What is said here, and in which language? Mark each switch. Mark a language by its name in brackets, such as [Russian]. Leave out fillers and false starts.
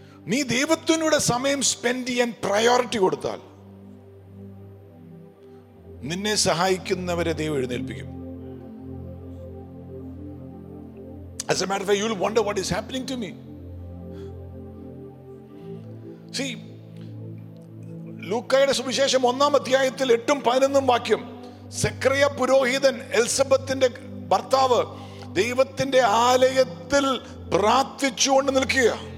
[Malayalam] നീ ദൈവത്തിനൂടെ സമയം സ്പെൻഡ് ചെയ്യാൻ പ്രയോറിറ്റി കൊടുത്താൽ നിന്നെ സഹായിക്കുന്നവരെ ദൈവം എഴുന്നേൽപ്പിക്കും. [English] As a matter of fact, you will wonder what is happening to me. [Malayalam] See, ലൂക്കായുടെ സുവിശേഷം 1-ാം അധ്യായത്തിൽ 8-ഉം 11-ഉം വാക്യം, സെക്രിയ പുരോഹിതൻ എലിസബത്തിന്റെ ഭർത്താവ് ദൈവത്തിന്റെ ആലയത്തിൽ പ്രാർത്ഥിച്ചുകൊണ്ട് നിൽക്കുക.